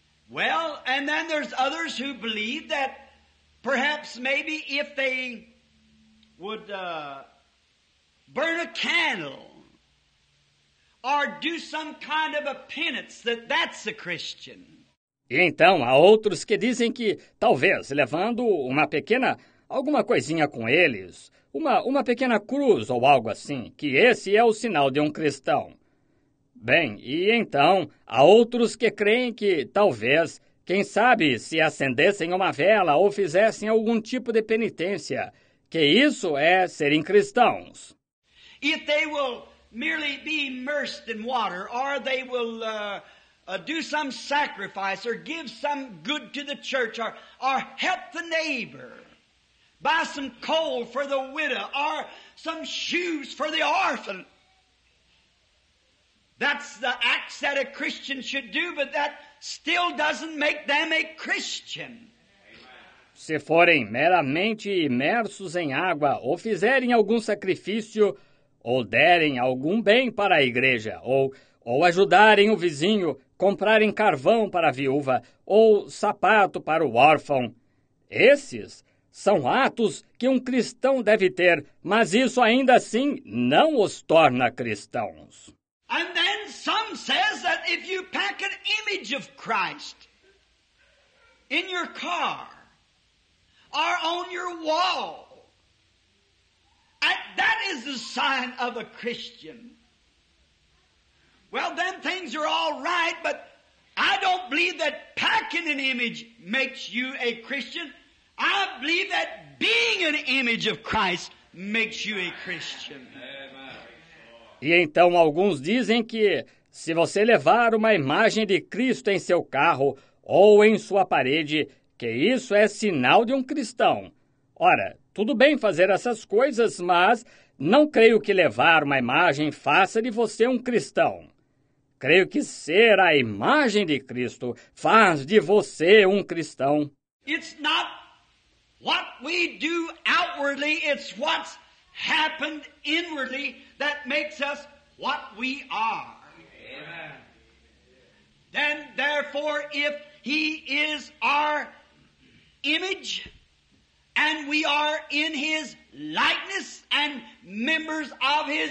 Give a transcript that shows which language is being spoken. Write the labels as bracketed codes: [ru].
[en] Well, and then there's others who believe that perhaps maybe if they would burn a candle or do some kind of a penance, that's a Christian. [pt] E então, há outros que dizem que, talvez, levando uma pequena, alguma coisinha com eles, uma pequena cruz ou algo assim, que esse é o sinal de um cristão. Bem, e então, há outros que creem que, talvez, quem sabe, se acendessem uma vela ou fizessem algum tipo de penitência, que isso é serem cristãos. [en] If they will merely be immersed in water, or they will do some sacrifice, or give some good to the church, or help the neighbor, buy some coal for the widow, or some shoes for the orphan. That's the acts that a Christian should do, but that still doesn't make them a Christian. [pt] Se forem meramente imersos em água, ou fizerem algum sacrifício, ou derem algum bem para a igreja, ou ajudarem o vizinho, comprarem carvão para a viúva, ou sapato para o órfão. Esses são atos que um cristão deve ter, mas isso ainda assim não os torna cristãos. [en] And then some says that if you pack an image of Christ in your car or on your wall, that is a sign of a Christian. Well, then things are all right, but I don't believe that packing an image makes you a Christian. I believe that being an image of Christ makes you a Christian. [pt] E então alguns dizem que se você levar uma imagem de Cristo em seu carro ou em sua parede, que isso é sinal de um cristão. Ora, tudo bem fazer essas coisas, mas não creio que levar uma imagem faça de você um cristão. Creio que ser a imagem de Cristo faz de você um cristão. [en] It's not what we do outwardly, it's what's happened inwardly that makes us what we are. Amen. Then, therefore, if he is our image, and we are in his likeness and members of his